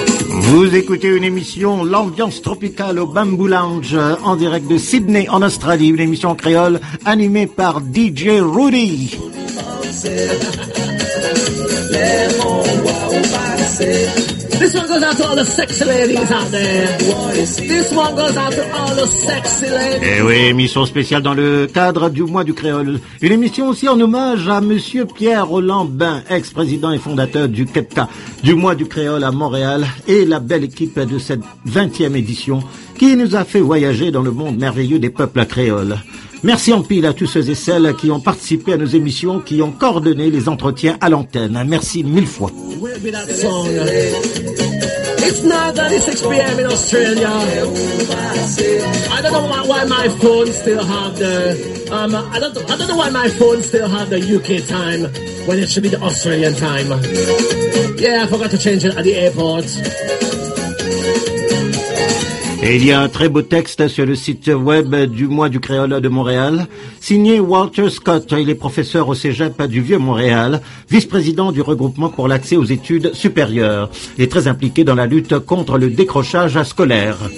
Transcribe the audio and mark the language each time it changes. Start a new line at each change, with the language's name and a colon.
French: Vous écoutez une émission, l'ambiance tropicale au Bamboo Lounge, en direct de Sydney, en Australie, une émission créole animée par DJ Rudy.
English: This one goes out to all the sexy ladies out there. This one goes out to all the sexy ladies.
French: Eh oui, émission spéciale dans le cadre du mois du créole. Une émission aussi en hommage à Monsieur Pierre Roland Bain, ex-président et fondateur du CEPCA, du mois du créole à Montréal, et la belle équipe de cette 20e édition qui nous a fait voyager dans le monde merveilleux des peuples créoles. Merci en pile à tous ceux et celles qui ont participé à nos émissions, qui ont coordonné les entretiens à l'antenne. Merci mille fois.
English: It's now that it's 6 p.m. in Australia. I don't know why my phone still have the I don't know why my phone still have the UK time when it should be the Australian time. Yeah, I forgot to change it at the airport.
French: Et il y a un très beau texte sur le site web du mois du créole de Montréal, signé Walter Scott. Il est professeur au Cégep du Vieux-Montréal, vice-président du regroupement pour l'accès aux études supérieures et très impliqué dans la lutte contre le décrochage scolaire.